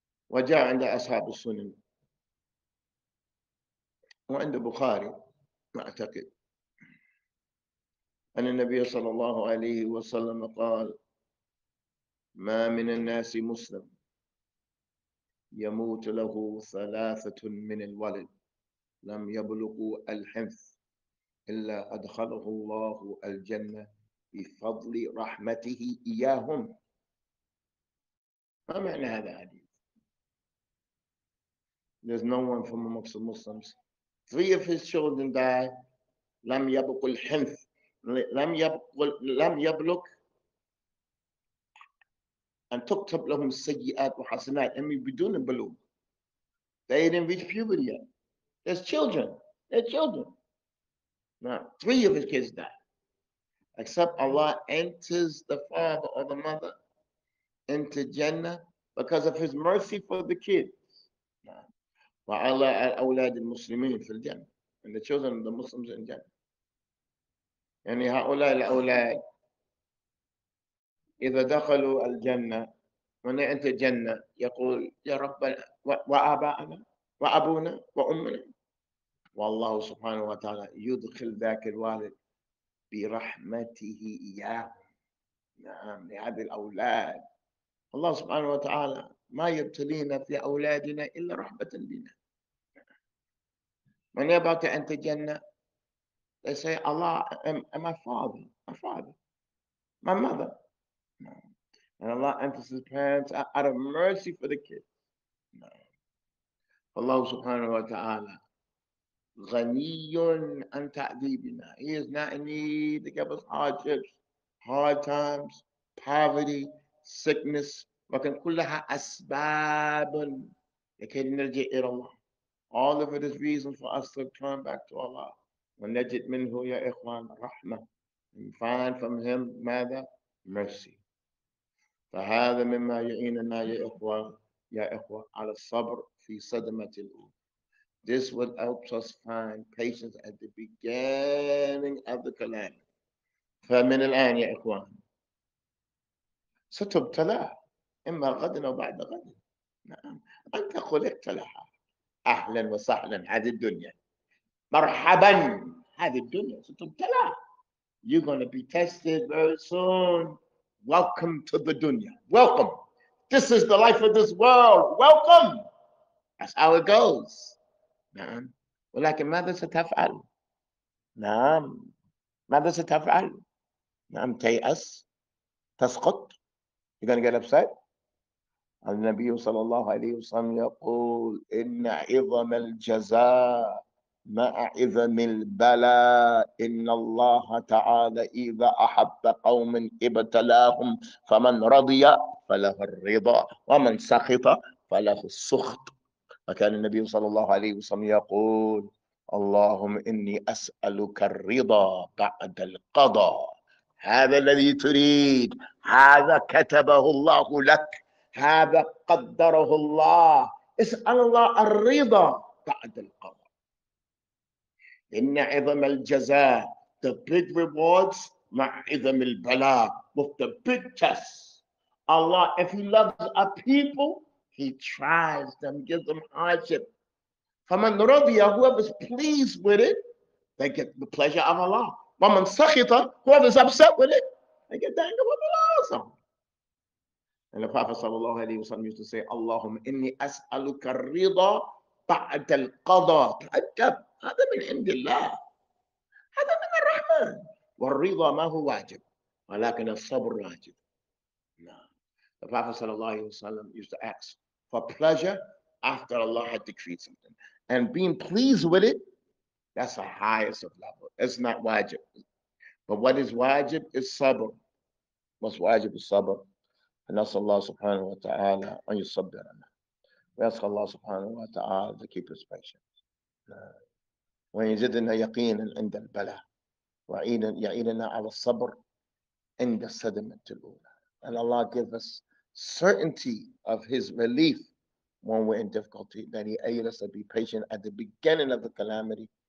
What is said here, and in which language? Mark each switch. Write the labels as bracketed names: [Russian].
[Arabic] وجاء عند أصحاب السنن وعند بخاري ما أعتقد أن النبي صلى الله عليه وسلم قال ما من الناس مسلم يموت له ثلاثة من الولد لم يبلغوا الحنث إلا أدخله الله الجنة بفضل رحمته إياهم. ما معنى هذا الحديث؟ [English] There's no one from amongst the Muslims. Three of his children die. [Arabic] لم يبلغ الحنث. لم يبلغ [English] And [Arabic] تكتب لهم السيئات وحسنات. [English] I mean, [Arabic] بدون بلوغ. [English] They didn't reach puberty yet. There's children. They're children. Now, three of his kids died. Except Allah enters the father or the mother into Jannah because of his mercy for the kids. [Arabic] وعلى الأولاد المسلمين في الجنة. [English] And the children of the Muslims in Jannah. [Arabic] يعني هؤلاء الأولاد إذا دخلوا الجنة ونعت الجنة يقول يا ربنا وآباءنا وأبونا وأمنا والله سبحانه وتعالى يدخل ذاك الوالد برحمته إياه. نعم لهذه الأولاد الله سبحانه وتعالى ما يبتلينا في أولادنا إلا رحمة بنا. من يبعت أنت الجنة [English] they say Allah my father my mother. And Allah enters his parents out of mercy for the kids. No. Allah subhanahu wa ta'ala [Arabic] غني عن تعذيبنا. [English] He is not in need to give us hardships, hard times, poverty, sickness. [Arabic] لكن كلها أسباب لكي نرجع إلى الله. [English] All of it is reason for us to turn back to Allah. [Arabic] ونجد منه يا إخوان رحمة. [English] And find from him [Arabic] ماذا؟ [English] Mercy. [Arabic] فهذا مما يعيننا يا إخوة على الصبر في صدمة الأولى. [English] This will help us find patience at the beginning of the calamity. [Arabic] فمن الآن يا إخوان ستبتلى إما غدا أو بعد غد. نعم أنت خلقت لها. أهلا وسهلا هذه الدنيا. مرحبا هذه الدنيا ستبتلى. [English] You're going to be tested very soon. Welcome to the dunya. Welcome. This is the life of this world. Welcome. That's how it goes. [Arabic] نعم. ولكن ماذا ستفعل؟ نعم. ماذا ستفعل؟ نعم. تيأس. تسقط. [English] You're going to get upset. [Arabic] النبي صلى الله عليه وسلم يقول إن عظم الجزاء مع عظم البلاء. إن الله تعالى إذا أحب قوم ابتلاهم فمن رضي فله الرضا ومن سخط فله السخط. فكان النبي صلى الله عليه وسلم يقول اللهم إني أسألك الرضا بعد القضاء. هذا الذي تريد، هذا كتبه الله لك، هذا قدره الله. اسأل الله الرضا بعد القضاء. إن عظم الجزاء [English] the big rewards [Arabic] مع عظم البلاء [English] with the big tests. Allah, if he loves a people, he tries them, gives them hardship. [Arabic] فمن رضي [English] whoever's pleased with it, they get the pleasure of Allah. [Arabic] ومن سخط [English] whoever's upset with it, they get the anger of Allah. And the Prophet [Arabic] صلى الله عليه وسلم [English] used to say, [Arabic] اللهم إني أسألك الرضا بعد القضاء. تعجب. هذا من عند الله، هذا من الرحمن. والرضا ما هو واجب ولكن الصبر واجب. [English] The Prophet صلى الله عليه وسلم used to ask for pleasure after Allah had decreed something. And being pleased with it, that's the highest of level. It's not واجب. But what is واجب is صبر. What's واجب is صبر. [Arabic] فنسأل الله سبحانه وتعالى أن يصبرنا. ويسأل الله سبحانه وتعالى [English] to keep us patient. [Arabic] ويزدنا يقينا عند البلاء ويعيننا على الصبر عند الصدمة الأولى. [English] And Allah give us certainty of his relief when we're in difficulty, that he aid us to be patient at the beginning of the calamity.